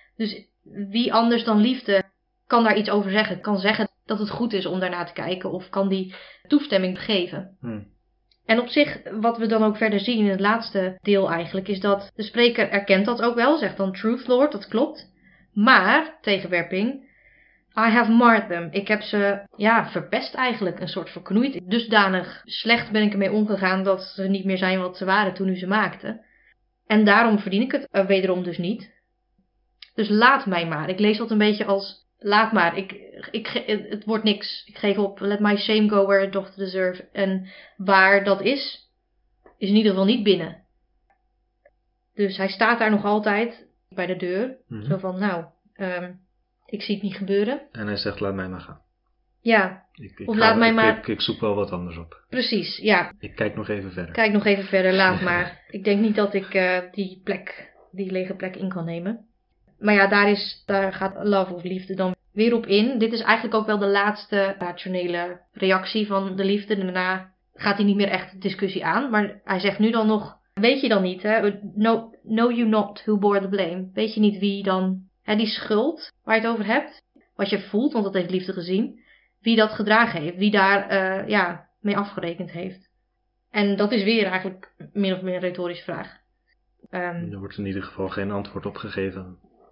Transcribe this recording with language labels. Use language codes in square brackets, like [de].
[nl] Dus wie anders dan liefde kan daar iets over zeggen? Kan zeggen dat het goed is om daarnaar te kijken of kan die toestemming geven? En op zich, wat we dan ook verder zien in het laatste deel eigenlijk, is dat de spreker erkent dat ook wel, zegt dan [en] Truth Lord, [nl] dat klopt. Maar, tegenwerping, [en] I have marred them. [nl] Ik heb ze verpest eigenlijk, een soort verknoeid. Dusdanig slecht ben ik ermee omgegaan dat ze niet meer zijn wat ze waren toen u ze maakte. En daarom verdien ik het wederom dus niet. Dus laat mij maar. Ik lees dat een beetje als, laat maar, het wordt niks. Ik geef op, [en] let my shame go where it doth deserve. [nl] En waar dat is, is in ieder geval niet binnen. Dus hij staat daar nog altijd bij de deur. Mm-hmm. Zo van, ik zie het niet gebeuren. En hij zegt, laat mij maar gaan. Ja, ik zoek wel wat anders op. Precies, ja. Ik kijk nog even verder. Kijk nog even verder, laat maar. Ik denk niet dat ik die lege plek in kan nemen. Maar ja, daar gaat love of liefde dan weer op in. Dit is eigenlijk ook wel de laatste rationele reactie van de liefde. Daarna gaat hij niet meer echt discussie aan. Maar hij zegt nu dan nog, weet je dan niet, hè? [en] Know you not who bore the blame. [nl] Weet je niet wie dan, hè, die schuld waar je het over hebt, wat je voelt, want dat heeft liefde gezien, wie dat gedragen heeft, wie daar mee afgerekend heeft. En dat is weer eigenlijk min of meer een retorische vraag. Er wordt in ieder geval geen antwoord op gegeven.